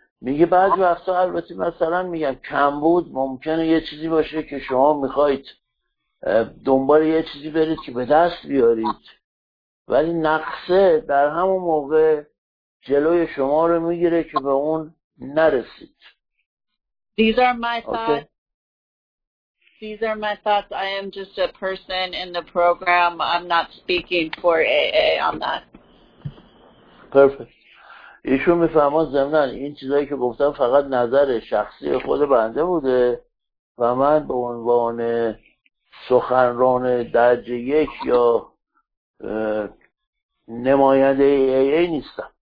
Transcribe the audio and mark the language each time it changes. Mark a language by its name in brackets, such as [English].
[Persian] میگه بعضی وقتا البته مثلا میگم کمبود ممکنه یه چیزی باشه که شما میخواید دنبال یه چیزی برید که به دست بیارید، ولی نقصه در همون موقع جلوی شما رو میگیره که به اون نرسید. [English] These are my thoughts. Okay. These are my thoughts. I am just a person in the program. I'm not speaking for AA on that. Perfect. [Persian] ایشون میفهمن زمنان این چیزایی که گفتم فقط نظر شخصی خود بنده بوده و من به عنوان سخنران درجه یک یا نماینده ای نیستم.